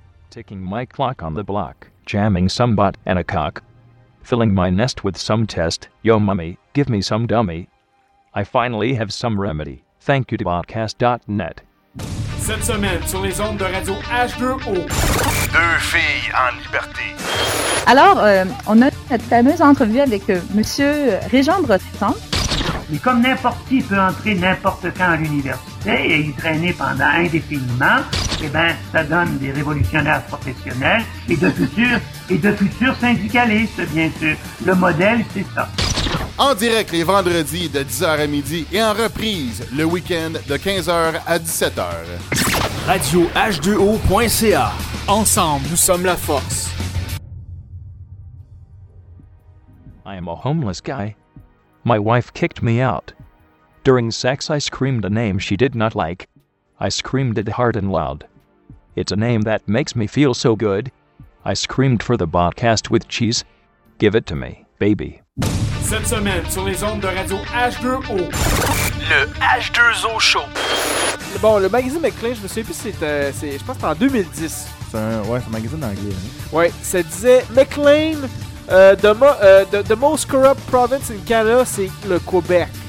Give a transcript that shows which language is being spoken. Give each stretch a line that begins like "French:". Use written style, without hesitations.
English: Ticking my clock on the block, jamming some bot and a cock. Filling my nest with some test, yo mummy, give me some dummy. I finally have some remedy, thank you to BotCast.net.
French: Cette semaine, sur les ondes de Radio H2O. Deux filles en liberté. Alors, on a cette fameuse entrevue avec Monsieur Régent Breton. Mais comme n'importe qui peut entrer n'importe quand à l'université et y traîner pendant indéfiniment, eh bien, ça donne des révolutionnaires professionnels et de futurs syndicalistes, bien sûr. Le modèle, c'est ça. En direct les vendredis de 10h à midi et en reprise le week-end de 15h à 17h. Radio H2O.ca. Ensemble, nous sommes la force.
English: I am a homeless guy. My wife kicked me out. During sex, I screamed a name she did not like. I screamed it hard and loud. It's a name that makes me feel so good. I screamed for the BotCast with Cheese. Give it to me, baby.
French: Cette semaine, sur les ondes de Radio H2O. Le H2O Show. Bon, le magazine McLean, je me souviens plus, je pense que c'était en 2010. C'est un magazine anglais. Hein? Ouais, ça disait McLean.
English: The most corrupt province in Canada,
French: c'est le Québec.